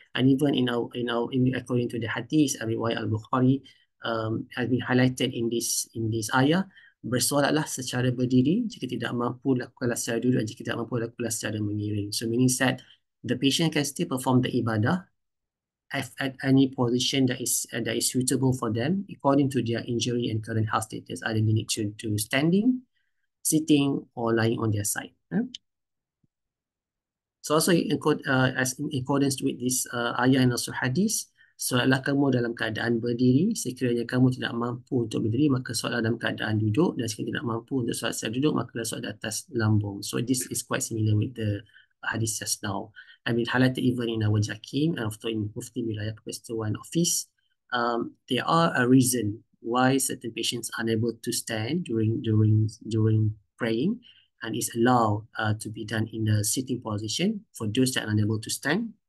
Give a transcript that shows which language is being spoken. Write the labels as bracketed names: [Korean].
[English] And even in according to the hadith, riwayat al-Bukhari, has been highlighted in this ayah, [Malay] bersolatlah secara berdiri, jika tidak mampu lakukanlah secara duduk, jika tidak mampu lakukanlah secara mengiring. [English] So meaning that the patient can still perform the ibadah at any position that is suitable for them according to their injury and current health status, either they need to standing, sitting, or lying on their side. So also in accordance with this ayah and also hadith, [Malay] solatlah kamu dalam keadaan berdiri, sekiranya kamu tidak mampu untuk berdiri, maka solatlah dalam keadaan duduk, dan sekiranya tidak mampu untuk solat secara duduk, maka solat di atas lambung. [English] So this is quite similar with the hadith just now. I mean, highlighted even in our JAKIM and also in Mufti Wilayah Persekutuan Office, there are a reason why certain patients are unable to stand during praying, and is allowed to be done in a sitting position for those that are unable to stand.